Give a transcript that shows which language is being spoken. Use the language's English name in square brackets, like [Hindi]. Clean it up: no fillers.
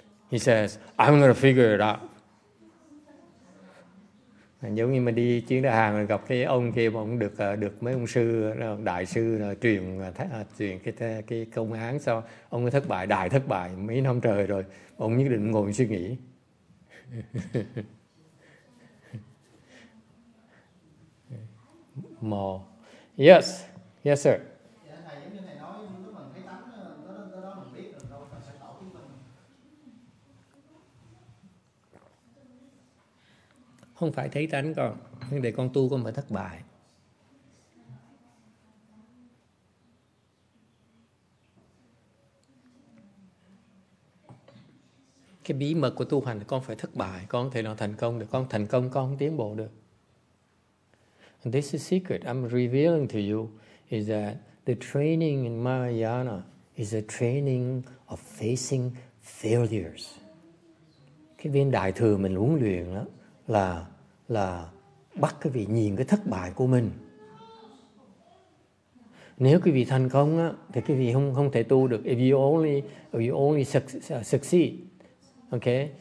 [English] He says, I'm going to figure it out. [Vietnamese] Giống như mình đi chuyến đại hàng rồi gặp cái ông kia mà ông được mấy ông sư, đại sư truyền cái công án sao. Ông thất bại, đại thất bại mấy năm trời rồi. Ông nhất định ngồi suy nghĩ. [English] More. Yes. Yes, sir. [Vietnamese] Không phải thấy tánh con, nhưng để con tu con phải thất bại. Cái bí mật của tu hành là con phải thất bại, con thể nào thành công được, con thành công con không tiến bộ được. [English] And this is secret I'm revealing to you is that the training in Mahayana is a training of facing failures. [Vietnamese] Cái viên đại thừa mình huấn luyện đó là bắt quý vị nhìn cái thất bại của mình. Nếu quý vị thành công á, thì quý vị không thể tu được. [English] If you only succeed, okay?